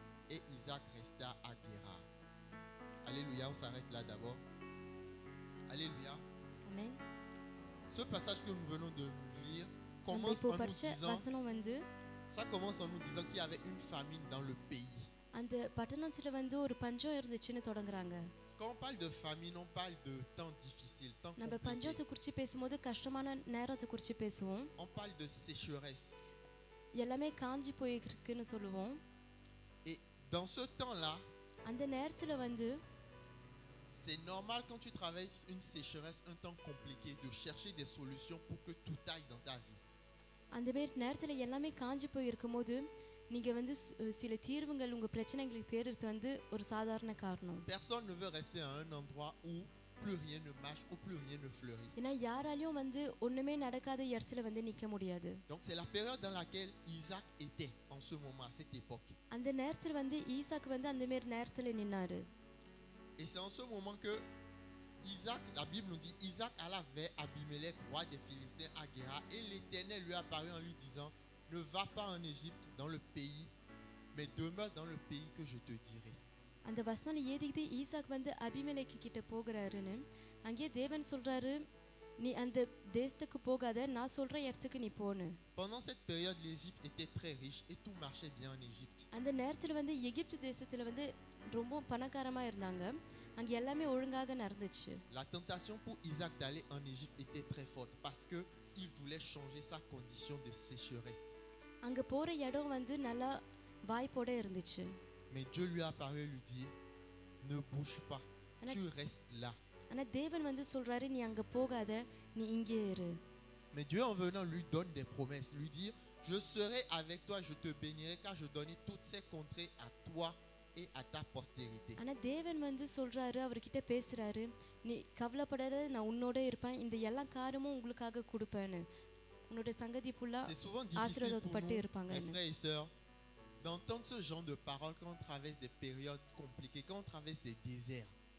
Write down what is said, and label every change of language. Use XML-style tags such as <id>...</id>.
<fr>Et Isaac resta à Guérar. » Alléluia, on s'arrête là d'abord. Alléluia. Amen. Ce passage que nous venons de lire commence en nous disant, ça commence en nous disant qu'il y avait une famine dans le pays.</fr> <ta>அந்த பட்டணத்தில் வந்து ஒரு பஞ்சம் இருந்துச்சுன்னு தொடங்குறாங்க.</ta> <fr>Quand on parle de famine, on parle de temps difficile, temps compliqué.</fr> <ta>நம்ம பஞ்சத்தை குறித்து பேசும்போது கஷ்டமான நேரத்தை குறித்து பேசுவோம்.</ta> <fr>On parle de sécheresse.</fr> <ta>எல்லாமே காஞ்சி போயிருக்குன்னு சொல்லுவோம்.</ta> <fr>Et dans ce temps-là,</fr> <ta>அந்த நேரத்தில் வந்து</ta> <fr>c'est normal quand tu travailles une sécheresse, un temps compliqué, de chercher des solutions pour que tout aille dans ta vie.</fr> <ta>அந்த நேரத்தில் எல்லாமே காஞ்சி போயிருக்கும்போது நீங்க வந்து சில தீர்வுகள் உங்க பிரச்சனைகளுக்கு தேடுறது வந்து ஒரு சாதாரண காரணம்.</ta> <fr>Personne ne veut rester à un endroit où plus rien ne marche ou plus rien ne fleurit.</fr> <ta>ஏன்னா யாராலையும் வந்து ஒண்ணுமே நடக்காத இடத்துல வந்து நிக்க முடியாது.</ta> <fr>Donc c'est la période dans laquelle Isaac était en ce moment à cette époque.</fr> <ta>அந்த நேரத்துல வந்து ஈசாக் வந்து அந்த மாதிரி நேரத்துல நின்னாரு.</ta> <fr>Et c'est en ce moment que Isaac, la Bible nous dit, Isaac alla vers Abimélec, roi des Philistins, à Guérar, et l'Éternel lui apparut en lui disant, ne va pas en Égypte dans le pays, mais demeure dans le pays que je te dirai.</fr> <ta>அந்த வசனம் ஏதிகிட்டு ஈசாக் வந்து Abimelech கிட்ட போகிறாருன்னு அங்கே தேவன் சொல்றாரு நீ அந்த தேசத்துக்கு போகாத நான் சொல்ற இடத்துக்கு நீ போனு.</ta> <fr>Pendant cette période, l'Égypte était très riche et tout marchait bien en Égypte.</fr> <ta>அந்த நேரத்துல வந்து எகிப்து தேசத்துல வந்து ரொம்ப பணக்காரமா இருந்தாங்க. அங்க எல்லாமே ஒழுங்காக நடந்துச்சு.</ta> <fr>La tentation pour Isaac d'aller en Égypte était très forte parce que il voulait changer sa condition de sécheresse.</fr> <ta>அங்க போற இடம் வந்து நல்லா வாய்ப்போட இருந்துச்சு.</ta> <fr>Mais Dieu lui a paru lui dire, ne bouge pas, tu restes là.</fr> <ta>ஆனா தேவன் வந்து சொல்றாரு நீ அங்க போகாத நீ இங்கே இரு.</ta> <fr>Mais Dieu en venant lui donne des promesses, lui dire, je serai avec toi, je te bénirai car je donnerai toutes ces contrées à toi et à ta postérité.</fr> <ta>ஆனா தேவன் வந்து சொல்றாரு அவர்கிட்ட பேசுறாரு நீ கவலைப்படாத நான் உன்னோட இருப்பேன் இந்த எல்லா காரியமும் உங்களுக்காக கொடுப்பேன்.</ta> <fr>C'est souvent difficile pour nous, mes frères et sœurs, d'entendre ce genre de paroles quand on traverse des périodes compliquées, quand on traverse des déserts.</fr>